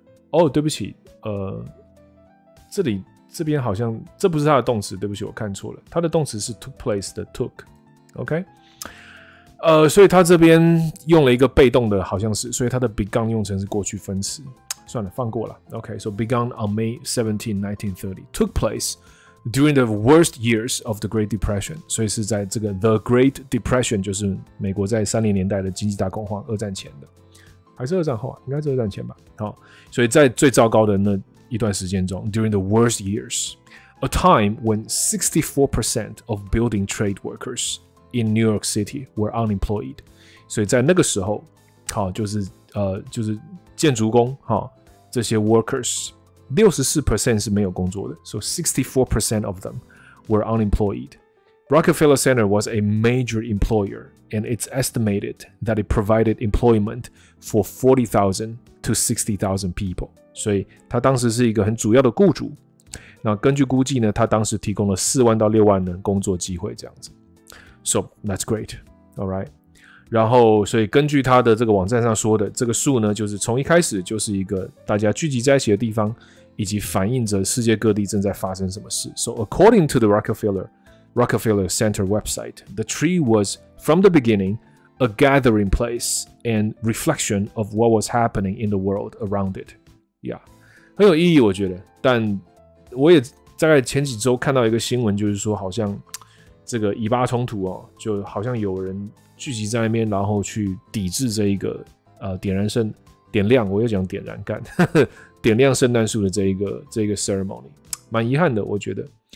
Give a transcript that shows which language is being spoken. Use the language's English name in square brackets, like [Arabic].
[Chinese] 哦，对不起，这里这边好像这不是它的动词，对不起，我看错了，它的动词是 took place 的 took。 OK，所以他这边用了一个被动的，好像是，所以他的 begun 用成是过去分词，算了，放过了。 [English] OK， so begun on May 17, 1930, took place during the worst years of the Great Depression。 [Chinese] 所以是在这个 The Great Depression， 就是美国在30年代的经济大恐慌，二战前的，还是二战后啊？应该是二战前吧。好，所以在最糟糕的那一段时间中， [English] during the worst years， a time when 64% of building trade workersin New York City were unemployed。 [Chinese] 所以在那个时候，好，就是就是建筑工，好，这些 workers 64% 是没有工作的， [English] so 64% of them were unemployed。 Rockefeller Center was a major employer and it's estimated that it provided employment for 40,000 to 60,000 people。 [Chinese] 所以他当时是一个很主要的雇主，那根据估计呢，他当时提供了4万到6万的工作机会，这样子。 [English] So that's great, all right. [Chinese] 然后，所以根据他的这个网站上说的，这个树呢，就是从一开始就是一个大家聚集在一起的地方，以及反映着世界各地正在发生什么事。 [English] So according to the Rockefeller Center website, the tree was from the beginning a gathering place and reflection of what was happening in the world around it. [Chinese] Yeah, 很有意义，我觉得。但我也大概前几周看到一个新闻，就是说好像。这个以巴冲突哦，就好像有人聚集在那边，然后去抵制这一个点燃圣点亮，我又讲点燃干，点亮圣诞树的这一个 ceremony， 蛮遗憾的，我觉得。